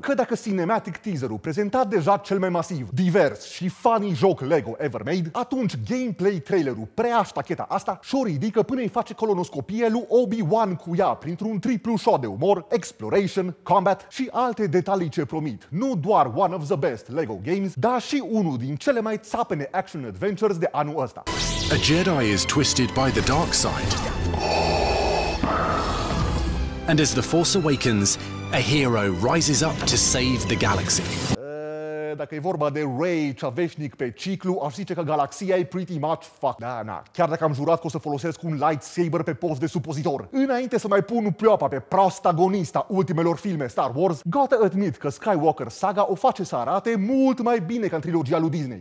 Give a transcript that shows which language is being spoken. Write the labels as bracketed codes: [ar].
[ro] Că dacă cinematic teaserul prezentat deja cel mai masiv, divers și funny joc LEGO [en] ever made, [ro] atunci gameplay trailerul prea ștacheta asta și-o ridică până îi face colonoscopie lui Obi-Wan cu ea printr-un triplu shot de umor, exploration, combat și alte detalii ce promit. Nu doar [en] one of the best LEGO games, [ro] dar și unul din cele mai țapene action adventures de anul ăsta. [en] A Jedi is twisted by the dark side. And as the Force awakens, a hero rises up to save the galaxy. [ro] Dacă e vorba de Rey, cea veșnic pe ciclu, aș zice că galaxia e [en] pretty much fucked. [ro] Da, chiar dacă am jurat că o să folosesc un lightsaber pe post de supozitor. Înainte să mai pun pleoapa pe protagonista ultimelor filme Star Wars, gata admit că Skywalker Saga o face să arate mult mai bine ca în trilogia lui Disney.